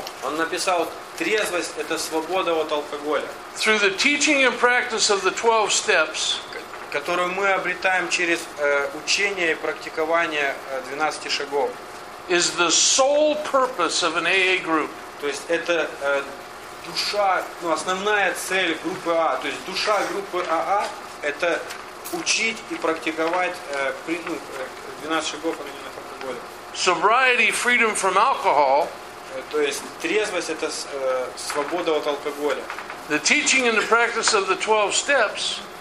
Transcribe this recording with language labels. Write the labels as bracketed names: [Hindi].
[English] Through the teaching and practice of the 12 steps, [Russian] которую мы обретаем через учение и практикование 12 шагов. [English] Is the sole purpose of an AA group. [Russian] То есть это душа, ну, основная цель группы АА. То есть душа группы АА – это учить и практиковать 12 шагов анонимных алкоголиков. [English] Sobriety, freedom from alcohol. [Russian] То есть трезвость – это свобода от алкоголя. [English] The teaching and the practice of the 12 steps.